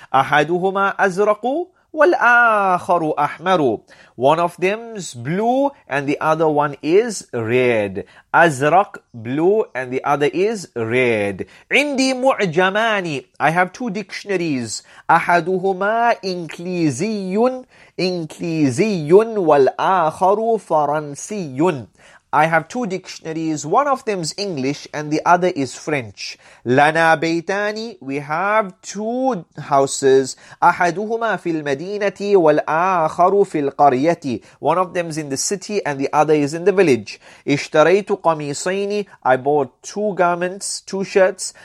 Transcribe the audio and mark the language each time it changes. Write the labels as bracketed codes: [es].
[ar] أحدهما أزرق والآخر أحمر. [en] One of them's blue and the other one is red. أزرق blue and the other is red. [ar] عندي معجمان. [en] I have 2 dictionaries. [ar] أحدهما إنكليزي والآخر فرنسي. [en] I have two dictionaries. One of them is English and the other is French. [ar] Lana baytani, [en] we have two houses. [ar] Ahaduhuma fil madinati wal akharu fil qaryati. [en] One of them is in the city and the other is in the village. [ar] Ishtaraytu qamisaini, [en] I bought two garments, two shirts.